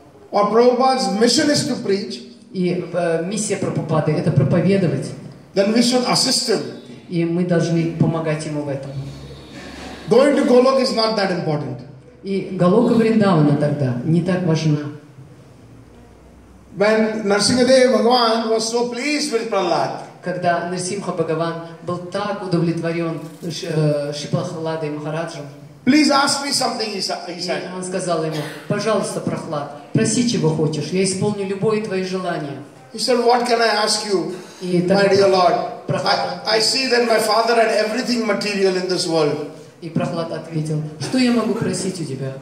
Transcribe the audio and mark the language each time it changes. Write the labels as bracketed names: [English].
[English] or Prabhupada's mission is to preach, [Russian] и миссия Прабхупады это проповедовать, [English] then we should assist him. [Russian] И мы должны помогать ему в этом. [English] Going to Golok is not that important. [Russian] И Голока Вриндавана тогда не так важна. [English] When Narsimhadeva Bhagavan was so pleased with Prahlad, [Russian] когда Нарсимха Бхагаван был так удовлетворен Шипрахладой Махараджем, [English] please ask me something, he said. [Russian] Он сказал ему, пожалуйста, Прахлад, проси чего хочешь, я исполню любое твое желание. [English] He said, what can I ask you, my dear Lord? I see that my father had everything material in this world. [Russian] И Прахлад ответил, что я могу просить у тебя?